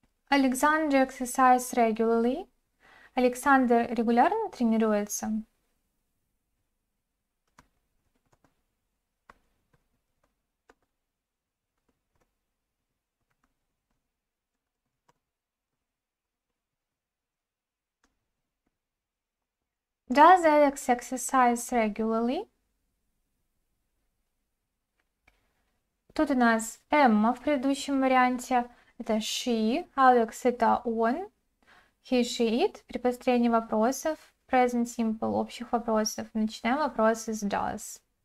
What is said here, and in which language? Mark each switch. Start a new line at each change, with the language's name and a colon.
English: Alexander exercises regularly.
Russian: Александр регулярно тренируется?
English: Does Alex exercise regularly?
Russian: Тут у нас Эмма в предыдущем варианте. Это she, Alex это он.
English: He, she, it.
Russian: При построении вопросов. Present simple общих вопросов. Начинаем вопросы с does.